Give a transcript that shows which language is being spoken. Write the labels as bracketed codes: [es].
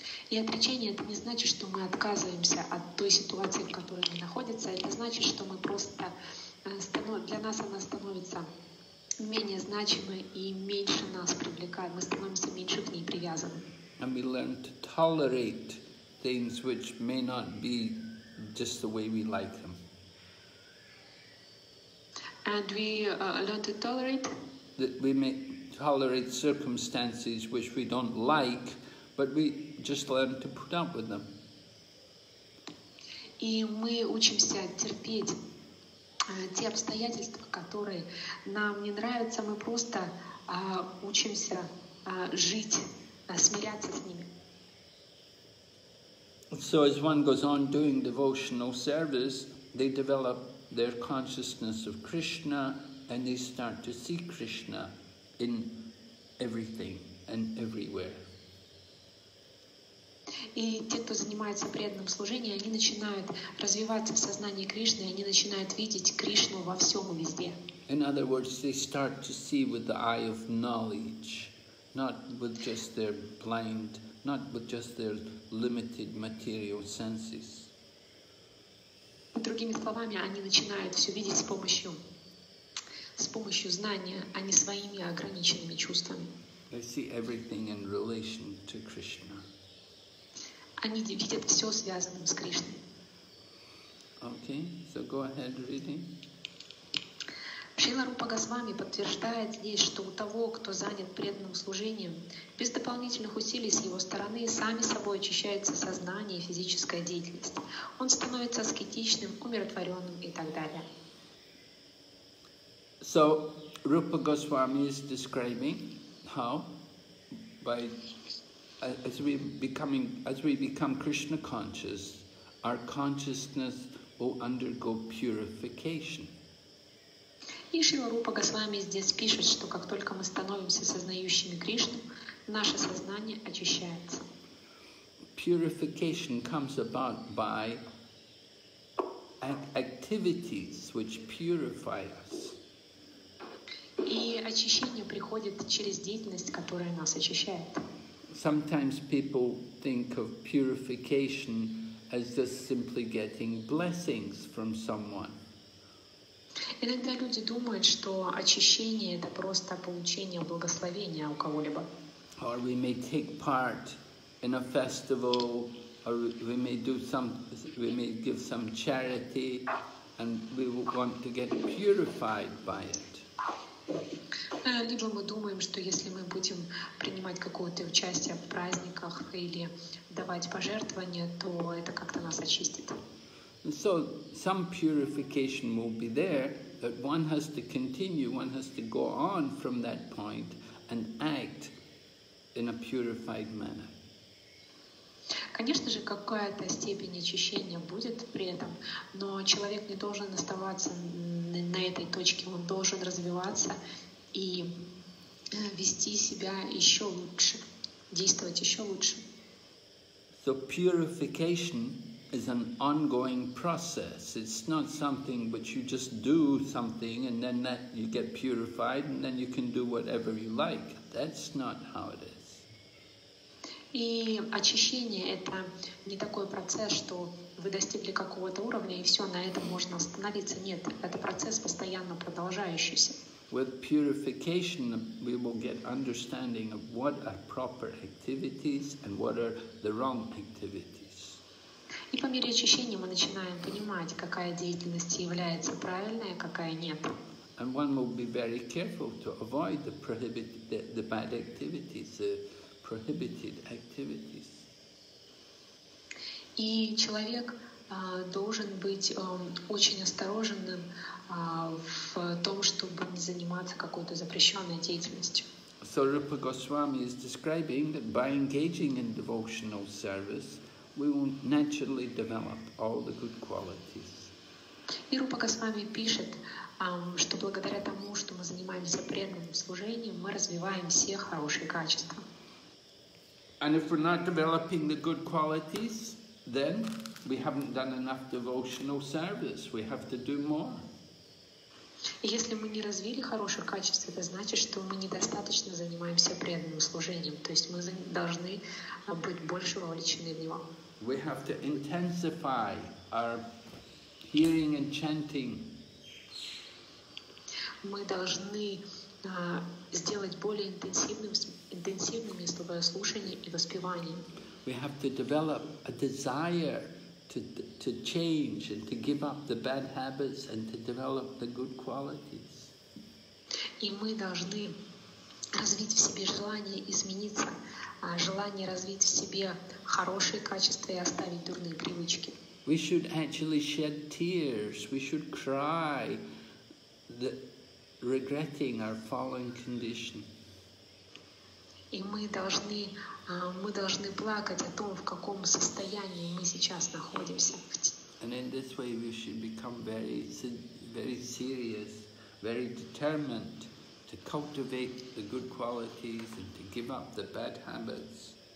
[ru] И отречение — это не значит, что мы отказываемся от той ситуации, в которой мы находимся. Это значит, что мы просто для нас она становится менее значимой и меньше нас привлекает. Мы становимся меньше к ней привязаны. [en] And we learn to tolerate things which may not be just the way we like them. And we learn to tolerate. That we may tolerate circumstances which we don't like, but we just learn to put up with them. [ru] И мы учимся терпеть те обстоятельства, которые нам не нравятся, мы просто учимся жить, смиряться с ними. [en] So as one goes on doing devotional service, they develop their consciousness of Krishna and they start to see Krishna in everything and everywhere. [ru] И те, кто занимается преданным служением, они начинают развиваться в сознании Кришны, они начинают видеть Кришну во всем и везде. [en] In other words, they start to see with the eye of knowledge, not with just their blind, not with just their limited material senses. [ru] Другими словами, они начинают все видеть с помощью знания, а не своими ограниченными чувствами. [en] They see everything in relation to Krishna. [ru] Они видят все связанным с Кришной. [en] Okay, so go ahead reading. [ru] Шрила Рупа Госвами подтверждает здесь, что у того, кто занят преданным служением, без дополнительных усилий с его стороны сами собой очищается сознание и физическая деятельность. Он становится аскетичным, умиротворенным и так далее. [en] So Rupa Goswami is describing how by As we become Krishna conscious, our consciousness will undergo purification. [ru] И Шрила Рупа Госвами здесь пишет, что как только мы становимся сознающими Кришну, наше сознание очищается. [en] Purification comes about by activities which purify us. [ru] И очищение приходит через деятельность, которая нас очищает. [en] Sometimes people think of purification as just simply getting blessings from someone. [ru] Иногда люди думают, что очищение — это просто получение благословения у кого-либо. [en] Or we may take part in a festival, or we may do some, we may give some charity, and we want to get purified by it. [ru] Либо мы думаем, что если мы будем принимать какое-то участие в праздниках или давать пожертвования, то это как-то нас очистит. [en] And so some purification will be there, but one has to continue, one has to go on from that point and act in a purified manner. [ru] Конечно же, какая-то степень очищения будет при этом, но человек не должен оставаться на этой точке, он должен развиваться и вести себя еще лучше, действовать еще лучше. [en] So purification is an ongoing process. It's not something which you just do something and then that you get purified and then you can do whatever you like. That's not how it is. [ru] И очищение — это не такой процесс, что вы достигли какого-то уровня, и все, на этом можно остановиться. Нет, это процесс, постоянно продолжающийся. [en] With purification, we will get understanding of what are proper activities and what are the wrong activities. [ru] И по мере очищения мы начинаем понимать, какая деятельность является правильной, а какая нет. [en] And one will be very careful to avoid the prohibited, the bad activities, the prohibited activities. [ru] И человек должен быть очень осторожным в том, чтобы не заниматься какой-то запрещенной деятельностью. [en] So Rupa Goswami is describing that by engaging in devotional service, we will naturally develop all the good qualities. [ru] И Рупа Госвами пишет, что благодаря тому, что мы занимаемся преданным служением, мы развиваем все хорошие качества. [en] And if we're not developing the good qualities, then we haven't done enough devotional service. We have to do more. [ru] Если мы не развили хорошие качества, это значит, что мы недостаточно занимаемся преданным служением. То есть мы должны быть больше вовлечены в него. [en] We have to intensify our hearing and chanting. [ru] Мы должны сделать более интенсивными слушание и воспевание. [en] We have to develop a desire to change and to give up the bad habits and to develop the good qualities. [ru] И мы должны развить в себе желание измениться, желание развить в себе хорошие качества и оставить дурные привычки. [en] We should actually shed tears. We should cry. Regretting our fallen condition. [ru] И мы должны плакать о том, в каком состоянии мы сейчас находимся. [en] And in this way we should become very, very serious, very determined to cultivate the good qualities and to give up the bad habits.